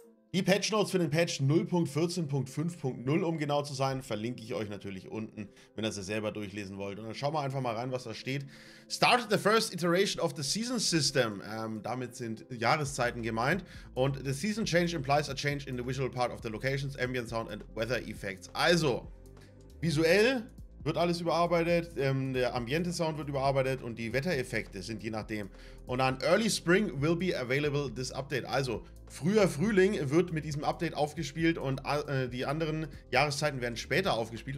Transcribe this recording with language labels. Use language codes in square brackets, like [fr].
[de] Die Patch Notes für den Patch 0.14.5.0, um genau zu sein, verlinke ich euch natürlich unten, wenn ihr sie selber durchlesen wollt. Und dann schauen wir einfach mal rein, was da steht. [en] Started the first iteration of the season system. [de] Damit sind Jahreszeiten gemeint. [en] Und the season change implies a change in the visual part of the locations, ambient sound and weather effects. [de] Also, visuell wird alles überarbeitet, der ambiente Sound wird überarbeitet und die Wettereffekte sind je nachdem. Und dann [en] early spring will be available this update. [de] Also, früher Frühling wird mit diesem Update aufgespielt und die anderen Jahreszeiten werden später aufgespielt.